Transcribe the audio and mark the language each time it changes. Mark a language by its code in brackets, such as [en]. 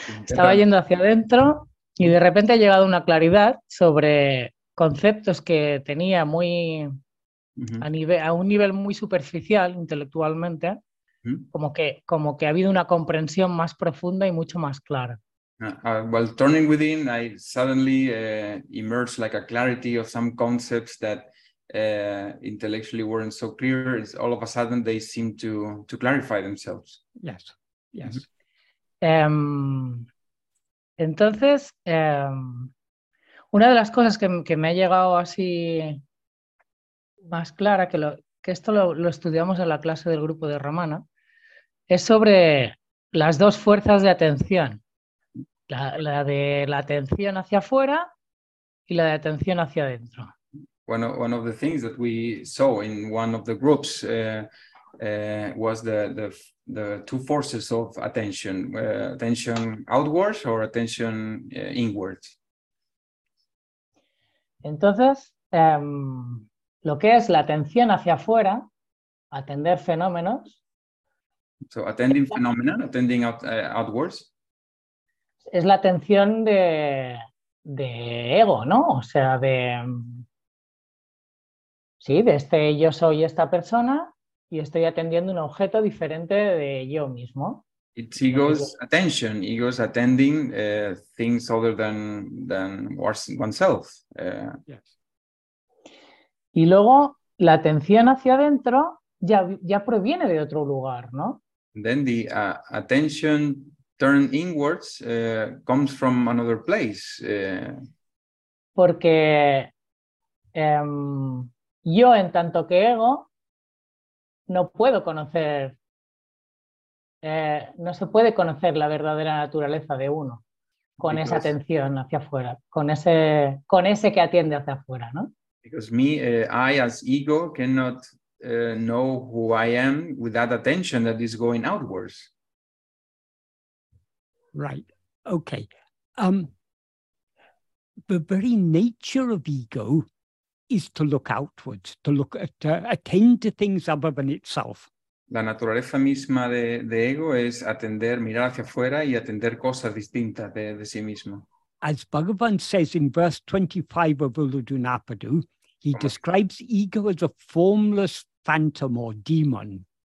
[es] Estaba yendo hacia adentro y de repente ha llegado una claridad sobre conceptos que tenía muy uh-huh. a un nivel muy superficial intelectualmente, uh-huh. como que ha habido una comprensión más profunda y mucho más clara. [en] While turning within, I suddenly emerged like a clarity of some concepts that intellectually weren't so clear, it's all of a sudden they seem to clarify themselves. Yes, yes. Mm-hmm. [es] Entonces, una de las cosas que me ha llegado así más clara, que esto lo estudiamos en la clase del grupo de Romana, es sobre las dos fuerzas de atención, la de la atención hacia afuera y la de atención hacia adentro. [en] One of the things that we saw in one of the groups was the two forces of attention, attention outwards or attention inwards. [es] Entonces, lo que es la atención hacia afuera, atender fenómenos. [en] So attending phenomena, attending outwards. [es] Es la atención de ego, ¿no? O sea, de... Sí, de este yo soy esta persona y estoy atendiendo un objeto diferente de yo mismo. [en] It's ego's attention. Ego's attending things other than oneself. Yes. [es] Y luego la atención hacia adentro ya proviene de otro lugar, ¿no? [en] Then the attention turned inwards comes from another place. [es] Porque yo, en tanto que ego, no puedo conocer, no se puede conocer la verdadera naturaleza de uno con esa atención hacia afuera, con ese que atiende hacia afuera, ¿no? [en] Because me, I as ego, cannot know who I am with that attention that is going outwards. Right, okay. The very nature of ego is to look outwards, to look at, attend to things other than itself. [es] La naturaleza misma de ego es atender, mirar hacia afuera y atender cosas distintas de sí mismo. [en] As Bhagavan says in verse 25 of Uludhunapadu, he describes ego as a formless phantom or demon.